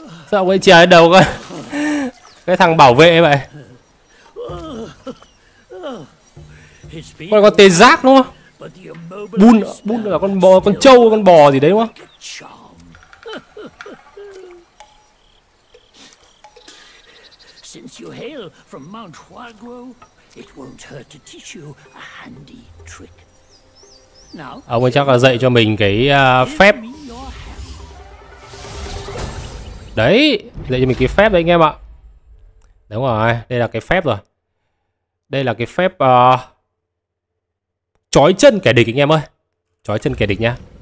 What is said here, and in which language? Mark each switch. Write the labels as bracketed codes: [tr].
[vi] Sao ông ấy chìa cái đầu coi. Cái thằng bảo vệ vậy. Con này con tê giác đúng không? Bun, bun là con bò, con trâu, con bò gì đấy đúng không? [en] Since you hail from Mount Huaguo, it won't hurt to teach you a handy trick. [vi] Now, ông ấy chắc là dạy cho mình cái phép. Đấy, dạy cho mình cái phép đấy anh em ạ. Đúng rồi, đây là cái phép rồi. Đây là cái phép chói chân kẻ địch anh em ơi. Chói chân kẻ địch nhá.